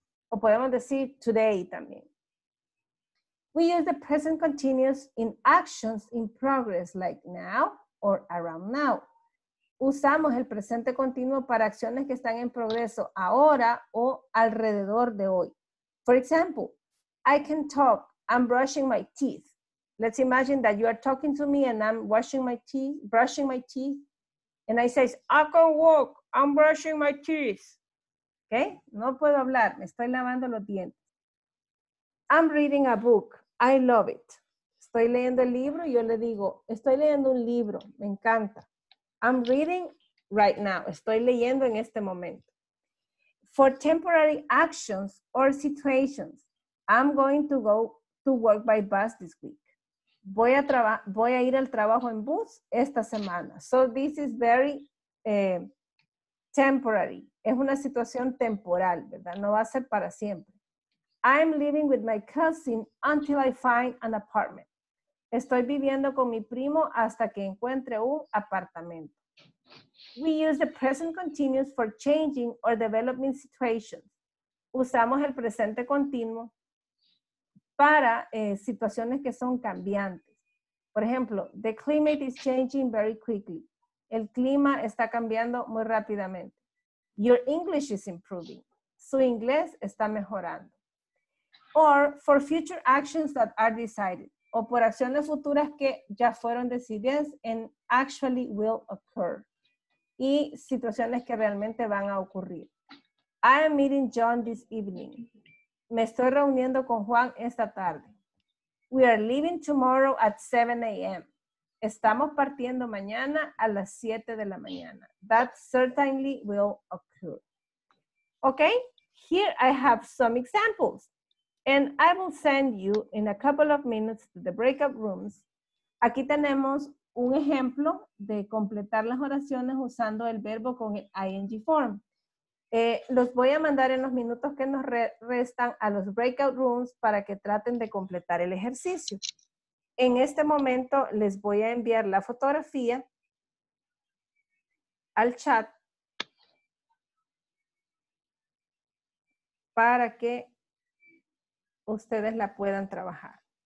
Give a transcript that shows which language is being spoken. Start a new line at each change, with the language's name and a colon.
Spanish: O podemos decir today también.
English: We use the present continuous in actions in progress, like now or around now.
Spanish: Usamos el presente continuo para acciones que están en progreso ahora o alrededor de hoy.
English: For example, I can talk, I'm brushing my teeth. Let's imagine that you are talking to me and I'm washing my teeth, brushing my teeth. And I say, I can walk, I'm brushing my teeth.
Spanish: Okay, no puedo hablar, me estoy lavando los dientes.
English: I'm reading a book, I love it.
Spanish: Estoy leyendo el libro y yo le digo, estoy leyendo un libro, me encanta.
English: I'm reading right now,
Spanish: estoy leyendo en este momento.
English: For temporary actions or situations, I'm going to go to work by bus this week.
Spanish: Voy a ir al trabajo en bus esta semana.
English: So this is very temporary.
Spanish: Es una situación temporal, ¿verdad? No va a ser para siempre.
English: I'm living with my cousin until I find an apartment.
Spanish: Estoy viviendo con mi primo hasta que encuentre un apartamento.
English: We use the present continuous for changing or developing situations.
Spanish: Usamos el presente continuo para situaciones que son cambiantes. Por ejemplo,
English: the climate is changing very quickly.
Spanish: El clima está cambiando muy rápidamente.
English: Your English is improving.
Spanish: Su inglés está mejorando.
English: Or for future actions that are decided.
Spanish: O por acciones futuras que ya fueron decididas
English: and actually will occur.
Spanish: Y situaciones que realmente van a ocurrir.
English: I am meeting John this evening.
Spanish: Me estoy reuniendo con Juan esta tarde.
English: We are leaving tomorrow at 7 a.m.
Spanish: Estamos partiendo mañana a las 7 de la mañana.
English: That certainly will occur. Okay? Here I have some examples. And I will send you in a couple of minutes to the breakout rooms.
Spanish: Aquí tenemos un ejemplo de completar las oraciones usando el verbo con el ing form. Los voy a mandar en los minutos que nos restan a los breakout rooms para que traten de completar el ejercicio. En este momento les voy a enviar la fotografía al chat para que ustedes la puedan trabajar.